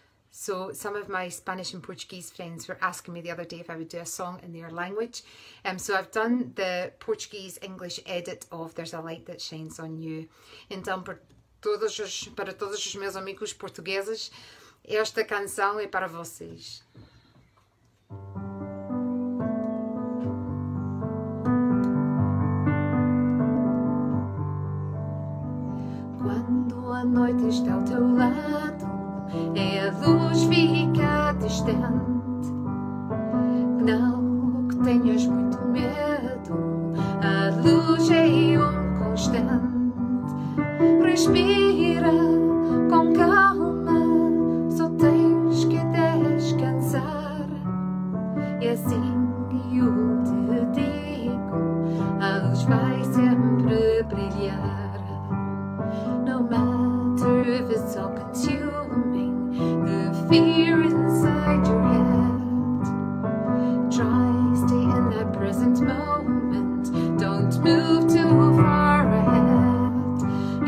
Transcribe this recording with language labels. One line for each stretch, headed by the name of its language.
English: So some of my Spanish and Portuguese friends were asking me the other day if I would do a song in their language. So I've done the Portuguese English edit of There's a Light That Shines on You.
Portuguese: Então, para todos os meus amigos portugueses, esta canção é para vocês. A noite está ao teu lado e a luz fica distante. Não que tenhas muito medo, a luz é um constante. Respira com calma, só tens que descansar. E assim eu te digo, a luz vai sempre brilhar.
English: No matter if it's all consuming, the fear inside your head. Try, stay in that present moment, don't move too far ahead.